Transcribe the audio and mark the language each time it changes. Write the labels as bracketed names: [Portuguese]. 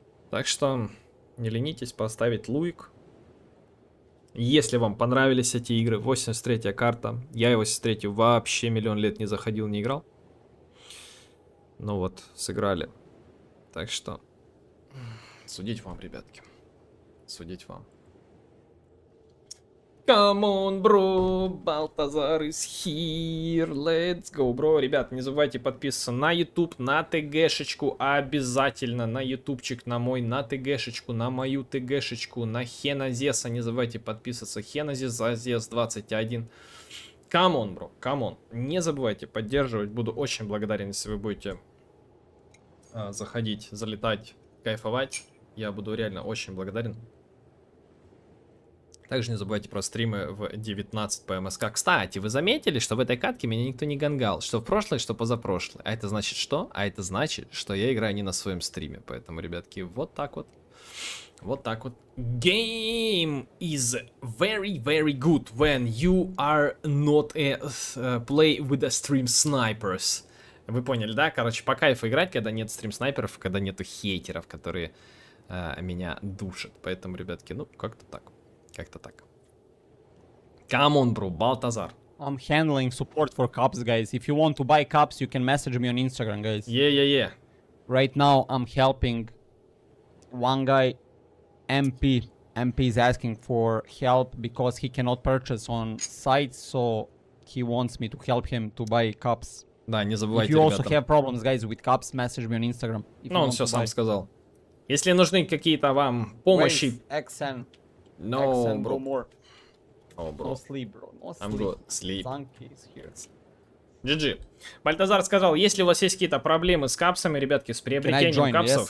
[Russian] Так что не ленитесь поставить луик. Если вам понравились эти игры, 83-я карта. Я его 83-ю вообще миллион лет не заходил, не играл. Ну вот, сыграли. Так что, судить вам, ребятки. Судить вам. [English] Come on, bro, Балтазар is here. Let's go, bro. [Russian] Ребят, не забывайте подписываться на YouTube, на ТГшечку обязательно, на ютубчик, на мой, на ТГшечку, на мою ТГшечку, на Хеназеса. Не забывайте подписываться. [English] Хеназес, Азес 21. Come on, bro, come on. [Russian] Не забывайте поддерживать. Буду очень благодарен, если вы будете заходить, залетать, кайфовать. Я буду реально очень благодарен. Также не забывайте про стримы в 19 по МСК. Кстати, вы заметили, что в этой катке меня никто не гангал. Что в прошлой, что позапрошлой. А это значит что? А это значит, что я играю не на своем стриме. Поэтому, ребятки, вот так вот. Вот так вот. [English] Game is very, very good when you are not a play with a stream snipers. [Russian] Вы поняли, да? Короче, по кайфу играть, когда нет стрим-снайперов, когда нету хейтеров, которые меня душат. Поэтому, ребятки, ну, как-то так. Как-то так. [English] Come on, bro, Балтазар. I'm handling support for cups, guys. If you want to buy cups, you can message me on Instagram, guys. Yeah, yeah, yeah. Right now, I'm helping one guy, MP. MP is asking for help because he cannot purchase on site, so he wants me to help him to buy cups. [Russian] Да, не забывайте, ребята. [English] If you also have problems, guys, with cops, message me on Instagram. [Russian] Ну, он все сам сказал. Если нужны какие-то вам помощи... [English] XN. No, bro. No more. No, bro. No sleep, bro. No sleep. I'm good. Sleep. Zanky is here. GG. [Russian] Бальтазар сказал, если у вас есть какие-то проблемы с капсами, ребятки, с приобретением капсов,